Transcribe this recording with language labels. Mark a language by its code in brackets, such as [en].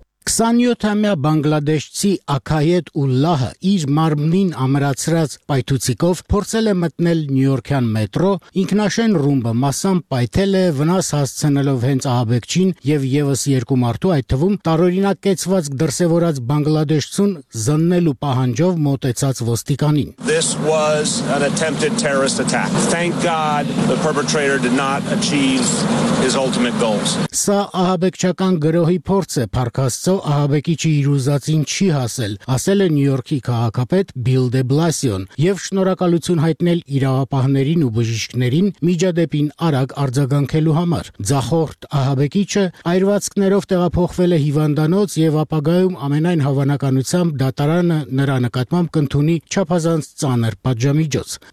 [hy] 27-ամյա բանգլադեշցի Ակայեդ Ուլլահը իր մարմնին ամրացրած պայթուցիկով փորձել է մտնել Նյու-Յորքյան մետրո, ինքնաշեն ռումբը մասամբ պայթել է, վնաս հասցնելով հենց ահաբեկչին և ևս 2 մարդու, այդ թվում տարօրինակ կեցվածք դրսևորած բանգլադեշցուն զննելու պահանջով մոտեցած ոստիկանին. [en] This was an attempted terrorist attack. Thank God the perpetrator did not achieve his ultimate goals. [hy] Սա ահաբեկչական գրոհի փորձ է, փառքած հանդիսացավ Ահաբեկիչի իրուզածին չի հասել, ասել է Նյու Յորքի քաղաքապետ Բիլ դե Բլասիոն, եւ շնորհակալություն հայտնել իրավապահներին ու բժիշկներին միջադեպին արագ արձագանքելու համար։ Ձախորդ Ահաբեկիչը այրվածքներով տեղափոխվել է հիվանդանոց եւ ապագայում ամենայն հավանականությամբ դատարանը նրա նկատմամբ կընդունի չափազանց ծանր պատժամիջոց։